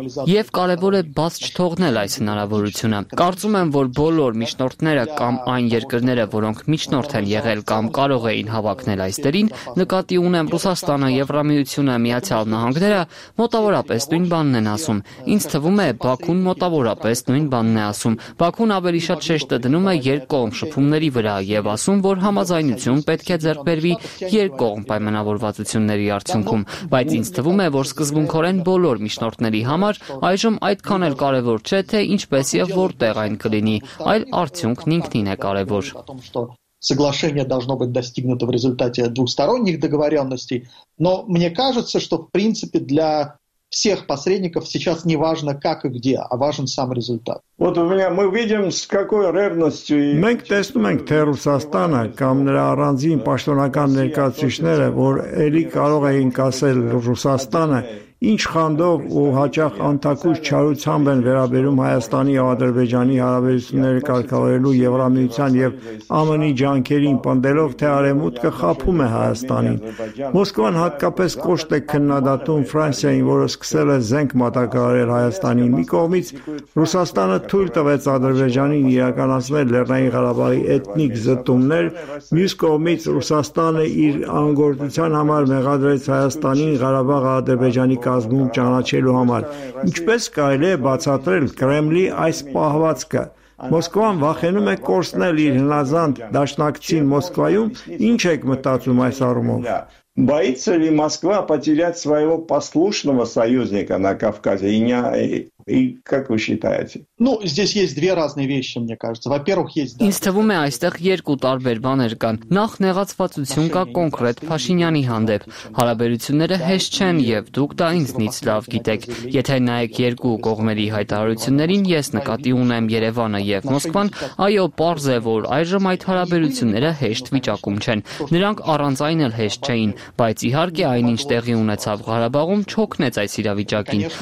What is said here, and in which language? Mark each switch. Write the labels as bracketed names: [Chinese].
[Armenian] եւ կարեւոր է բաց չթողնել այս հնարավորությունը։ Կարծում եմ, որ բոլոր միջնորդները կամ այն երկրները, որոնք միջնորդ են եղել կամ կարող էին հավակնել այս դերին, նկատի ունեմ Ռուսաստանը, Եվրամիությունը, Միացյալ Նահանգները, մոտավորապես նույն բանն են ասում։ Ինձ թվում է, Բաքուն մոտավորապես նույն բանն է ասում։ Բաքուն ավելի շատ շեշտը դնում է երկկողմ շփումների վրա եւ ասում, որ համաձայնություն պետք է ձեռքբերվի երկկողմ պայմանավորվածությունների արդյունքում, բայց ինձ թվում է, որ սկզբունքորեն բոլոր միջնորդների համար այժմ այդքան էլ կարևոր չէ, թե ինչպես եւ որտեղ այն կլինի, այլ արդյունքն ինքնին է կարևոր։ [Russian] Соглашение должно быть достигнуто в результате двухсторонних договорённостей, но мне кажется, что в принципе для всех посредников сейчас не важно как и где, а важен сам результат. Вот у меня мы видим с какой ревностью и [Armenian] Մենք տեսնում ենք, թե Ռուսաստանը կամ նրա առանձին պաշտոնական ներկայացուցիչները, որ էլի կարող էին ասել Ռուսաստանը, Ինչ խանդով ու հաճախ անթակուս չարությամբ են վերաբերում Հայաստանի և Ադրբեջանի հարաբերությունները կարգավորելու Եվրամիության և ԱՄՆ-ի ջանքերին, պնդելով, թե Արևմուտքը խաբում է Հայաստանին։ Մոսկվան հատկապես կոշտ է քննադատում Ֆրանսիային, որը սկսել է զենք մատակարարել Հայաստանին։ Մի կողմից Ռուսաստանը թույլ տվեց Ադրբեջանին իրականացնել Լեռնային Ղարաբաղի էթնիկ զտումներ, մյուս կողմից Ռուսաստանը իր անգործության համար մեղադրեց Հայաստանին Ղարաբաղը Ադրբեջանի կազմում ճանաչելու համար։ Ինչպես կարելի է բացատրել Կրեմլի այս պահվածքը։ Մոսկվան վախենում է կորցնել իր հնազանդ դաշնակցին Մոսկվայում։ Ինչ եք մտածում այս առումով։ [Russian] Боится ли Москва потерять своего послушного союзника на Кавказе? И как вы считаете? Ну, здесь есть две разные вещи, мне кажется. Во-первых, есть... [Armenian] Ինձ թվում է, այստեղ երկու տարբեր բաներ կան։ Նախ, նեղացվածություն կա կոնկրետ Փաշինյանի հանդեպ։ Հարաբերությունները հեշտ չեն, և դուք դա ինձնից լավ գիտեք։ Եթե նայեք երկու կողմերի հայտարարություններին, ես նկատի ունեմ Երևանը և Մոսկվան, այո, պարզ է, որ այժմ այդ հարաբերությունները հեշտ վիճակում չեն։ Նրանք առանց այն էլ հեշտ չէին, բայց իհարկե այնինչ տեղի ունեցավ Ղարաբաղում չօգնեց այս իրավիճակին։